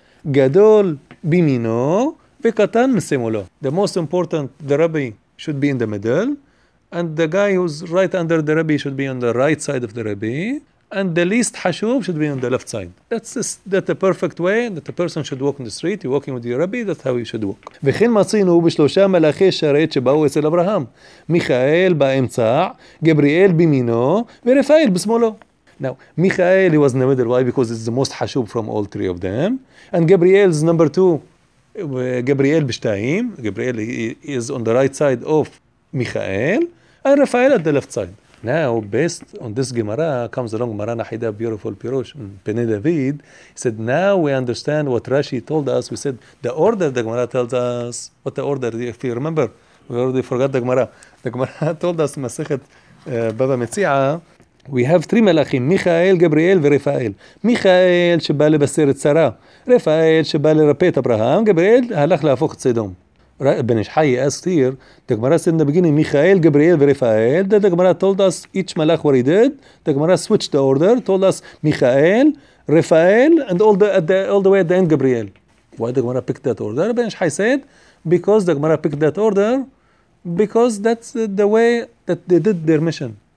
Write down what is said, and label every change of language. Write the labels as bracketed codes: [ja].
[he] Gadol bimino, v'katan misimulo. [en] The most important, the rabbi, should be in the middle. And the guy who's right under the rabbi should be on the right side of the rabbi. And the least hashub should be on the left side. That's the perfect way that a person should walk in the street. You're walking with your rabbi, that's how you should walk. [he] וכן מצינו בשלושה מלאכי שרת שבאו אצל אברהם. מיכאל באמצע, גבריאל בימינו, ורפאל בשמאלו. [en] Now, Michael, he was in the middle. Why? Because it's the most hashub from all three of them. And Gabriel is number two. Gabriel [he] b'shtayim. [en] Gabriel is on the right side of Michael. And Raphael at the left side. Now, based on this Gemara, comes along Maran Ahida, beautiful Pirush, Pene David. He said, now we understand what Rashi told us. We said, the order the Gemara tells us. What the order? If you remember, we already forgot the Gemara. The Gemara told us, Masechet Baba Metzi'a, we have three מלאכים, מיכאל, גבריאל ורפאל. [he] מיכאל שבא לבשר את שרה, רפאל שבא לרפא את אברהם, גבריאל הלך להפוך את סדום. [en] בן ישחי asked here, the Gemara said in the beginning, מיכאל, גבריאל ורפאל, then the Gemara told us each מלאך what he did, the Gemara switched the order, told us מיכאל, רפאל, and all the way at the end, גבריאל. Why the Gemara picked that order? בן ישחי said, because the Gemara picked that order, because that's the way that they did their mission.